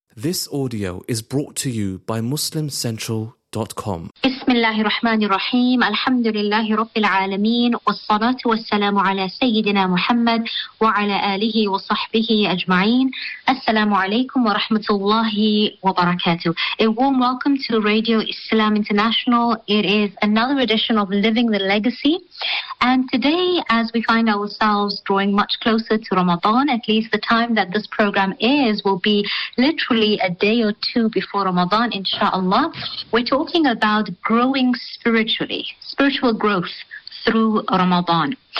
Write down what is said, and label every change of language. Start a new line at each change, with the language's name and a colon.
English: This audio is brought to you by MuslimCentral.com.
Arabic: بسم الله الرحمن الرحيم الحمد لله رب العالمين والصلاة والسلام على سيدنا محمد وعلى آله وصحبه أجمعين السلام عليكم ورحمة الله وبركاته.
English: A warm welcome to Radio Islam International. It is another edition of Living the Legacy. And today, as we find ourselves drawing much closer to Ramadan, at least the time that this program is will be literally a day or two before Ramadan, inshallah. We're talking about growing spiritually, spiritual growth through Ramadan.